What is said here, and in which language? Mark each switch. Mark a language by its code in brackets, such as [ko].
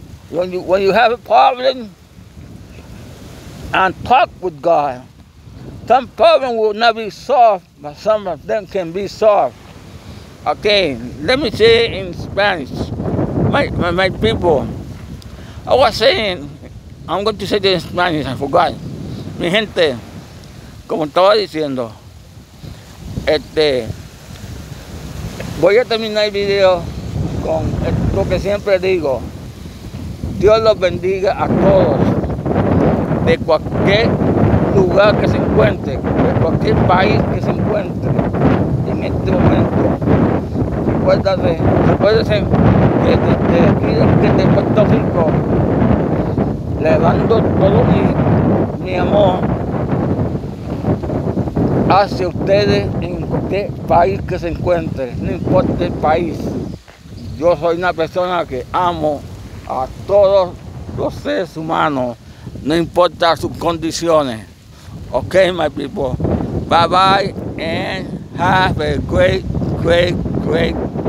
[en] When you have a problem, and talk with God, some problem will not be solved, but some of them can be solved. Okay, let me say in Spanish, my people. I was saying, I'm going to say this in Spanish. I forgot. [es] Mi gente, como estaba diciendo, voy a terminar el video con lo que siempre digo. Dios los bendiga a todos, de cualquier lugar que se encuentre, de cualquier país que se encuentre en este momento. Recuérdense que desde aquí, desde Puerto Rico, le mando todo mi amor hacia ustedes en cualquier país que se encuentre, no importa el país. Yo soy una persona que amo a todos los seres humanos, no importa sus condiciones. [en] Okay, my people. Bye bye and have a great, great, great day.